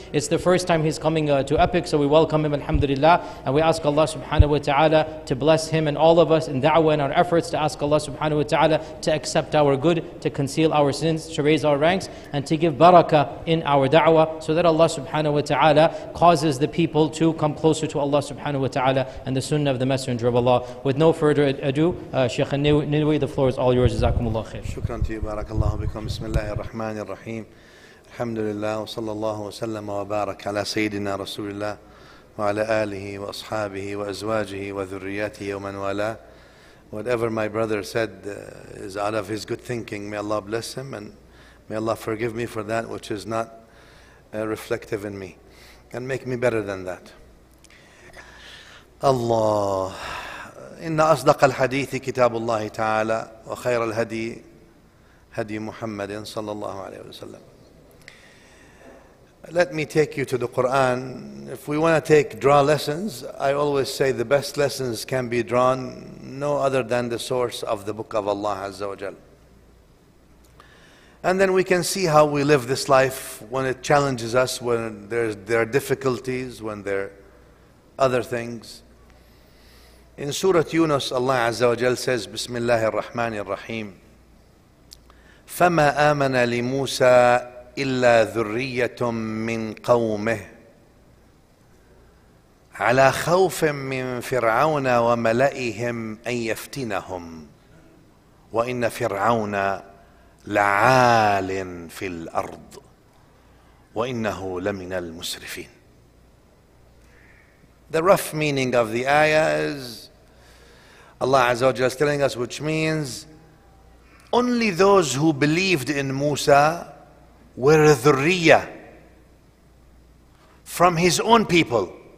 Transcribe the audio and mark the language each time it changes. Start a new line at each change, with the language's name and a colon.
English: It's the first time he's coming to Epic, so we welcome him, alhamdulillah, and we ask Allah subhanahu wa ta'ala to bless him and all of us in da'wah and our efforts, to ask Allah subhanahu wa ta'ala to accept our good, to conceal our sins, to raise our ranks, and to give barakah in our da'wah, so that Allah subhanahu wa ta'ala causes the people to come closer to Allah subhanahu wa ta'ala and the sunnah of the Messenger of Allah. With no further ado, Sheikh al-Ninawi, the floor is all yours. Jazakumullah khair. Shukran to you. Barakallahu bikum. Bismillah.
Arabic: الرحمن الرحيم الحمد لله وصلى الله وسلم وبارك على سيدنا رسول الله وعلى آله وأصحابه وأزواجه وذرياته ومن والاه.
English: Whatever my brother said is out of his good thinking. May Allah bless him and may Allah forgive me for that which is not reflective in me, and make me better than that.
Arabic: Allah, إن أصدق الحديث كتاب الله تعالى وخير الهدي هدي محمد صلى الله عليه وسلم.
English: Let me take you to the Quran. If we want to draw lessons, I always say the best lessons can be drawn no other than the source of the book of Allah Azza wa Jal. And then we can see how we live this life when it challenges us, when there are difficulties, when there are other things. In Surah Yunus, Allah Azza wa Jal says, Bismillahir Rahmanir Rahim.
Arabic: فما آمن لموسى إلا ذرية من قومه على خوف من فرعون وملئهم أن يفتنهم وإن فرعون لعال في الأرض وإنه لمن المسرفين.
English: The rough meaning of the ayah is Allah Azza wa Jalla is telling us, which means only those who believed in Musa were dhurriya, from his own people.